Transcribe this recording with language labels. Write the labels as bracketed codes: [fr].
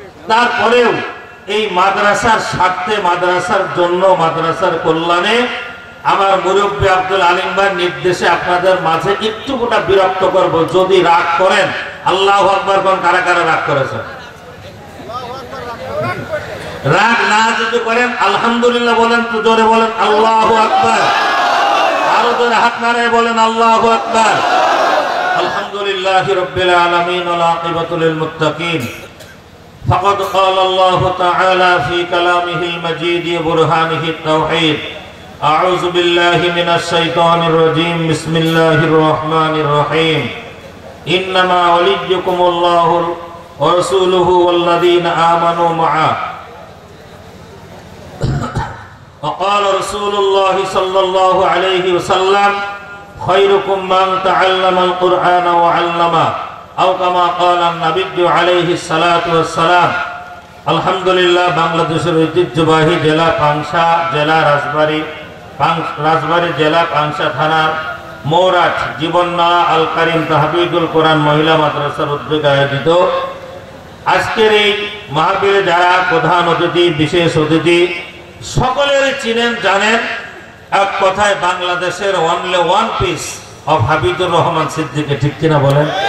[bn] তারপরেও এই মাদ্রাসার স্বার্থে মাদ্রাসার জন্য মাদ্রাসার কল্যাণে আমার মুরব্বী আব্দুল আলিম ভাই নির্দেশে আপনাদের মাঝে একটুকুটা বিরক্ত করব, যদি রাগ করেন আল্লাহ আকবার কোন কারা কারা রাগ করেছেন, রাগ না যদি করেন আলহামদুলিল্লাহ বলেন, তো জোরে বলেন আল্লাহ আকবার, আরো জোরে হাত নাড়ে বলেন আল্লাহ আকবার। [ar] আলহামদুলিল্লাহি রাব্বিল আলামিন ওয়া আকিবাতু লিল মুত্তাকিন ফাকাদ ক্বালা আল্লাহ তাআলা ফী কালামিহিল মাজীদি বুরহানিহিত তাওহীদ أعوذ بالله من الشيطان الرجيم بسم الله الرحمن الرحيم إنما وليكم الله ورسوله والذين آمنوا معه وقال رسول الله صلى الله عليه وسلم خيركم من تعلم القرآن وعلمه أو كما قال النبي عليه الصلاة والسلام। [bn] আলহামদুলিল্লাহ বাংলাদেশের ঐতিহ্যবাহী জেলা পাংশা জেলা রাজবাড়ী জেলা পাংশা থানার মৌরাট জীবননালা আল কারিম তাহফিজুল কোরআন মহিলা মাদ্রাসার উদ্যোগে আয়োজিত আজকের এই মাহফিলে যারা প্রধান অতিথি বিশেষ অতিথি সকলেই চিনেন জানেন, এক কথায় বাংলাদেশের [en] only one piece of [bn] Hafizur Rahman Siddiqui, ঠিক কিনা বলেন?